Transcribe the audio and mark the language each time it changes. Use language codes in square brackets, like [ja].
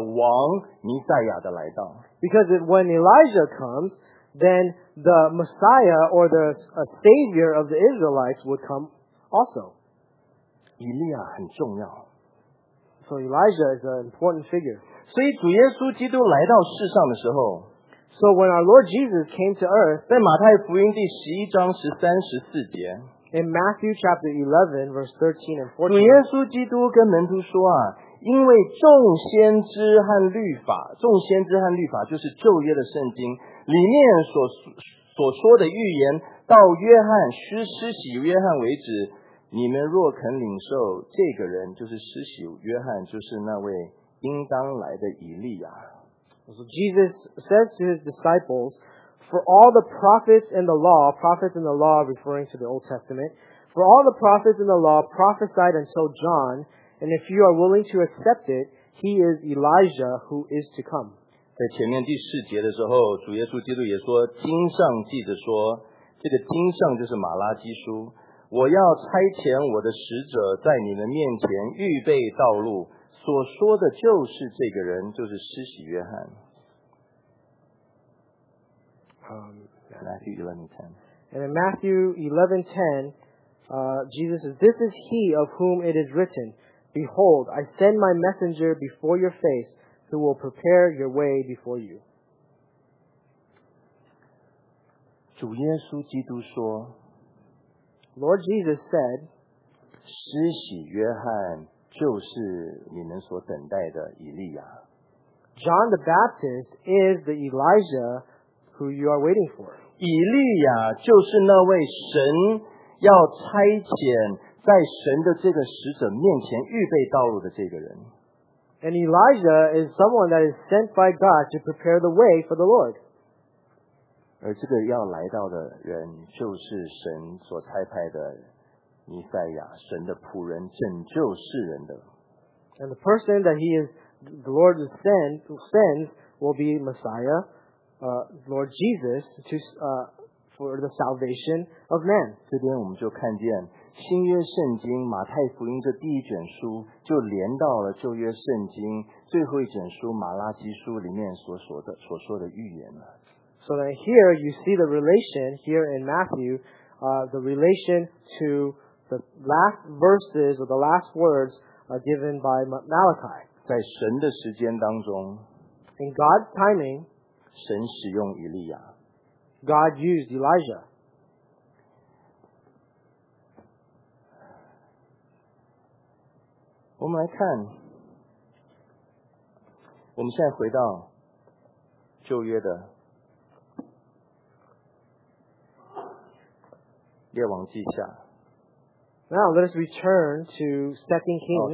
[zh] 因为以利亚来了，就代表神的拯救，那位要来拯救属他子民的王弥赛亚的来到。 [en] Because when Elijah comes, then the Messiah or the Savior of the Israelites would come also. [zh] 以利亚很重要。 [en] So Elijah is an important figure. [zh] 所以主耶稣基督来到世上的时候， [en] So when our Lord Jesus came to earth, [zh] 在马太福音第11章13-14节, [en] in Matthew chapter 11, verse 13 and 14, [zh] 主耶稣基督跟门徒说啊, 因为众先知和律法, 众先知和律法就是旧约的圣经, 里面所说的预言, 到约翰施洗约翰为止, 你们若肯领受, 这个人就是施洗约翰, 就是那位应当来的以利亚。 [en] So Jesus says to his disciples, For all the prophets in the law, prophets in the law referring to the Old Testament, for all the prophets in the law prophesied until John, and if you are willing to accept it, he is Elijah who is to come. [zh] 在前面第四节的时候, 主耶稣基督也说, 经上记着说, 这个经上就是马拉基书, 我要差遣我的使者在你的面前预备道路，所说的就是这个人，就是施洗约翰。 [en] And in Matthew 11:10, Jesus says, "This is he of whom it is written, 'Behold, I send my messenger before your face, who will prepare your way before you.'" [zh] 主耶稣基督说 [en] ，Lord Jesus said, [zh] 施洗约翰就是你们所等待的以利亚。 [en] John the Baptist is the Elijah who you are waiting for. [zh] 以利亚就是那位神要差遣在神的这个使者面前预备道路的这个人。 [en] And Elijah is someone that is sent by God to prepare the way for the Lord. [zh] 而这个要来到的人就是神所差派的弥赛亚，神的仆人，拯救世人的。 [en] And the person that he is, the Lord is sends will be Messiah. Lord Jesus to, for the salvation of man. [zh] 这边我们就看见新约圣经马太福音这第一卷书就连到了旧约圣经最后一卷书马拉基书里面所说的预言了。 [en] So then here you see the relation here in Matthew, the relation to the last verses or the last words given by Malachi. [zh] 在神的时间当中 [en] In God's timing, [zh] 神使用以利亚。 [en] God used Elijah. [zh] 我们来看，我们现在回到旧约的列王记下。 [en] Now let us return to Second Kings.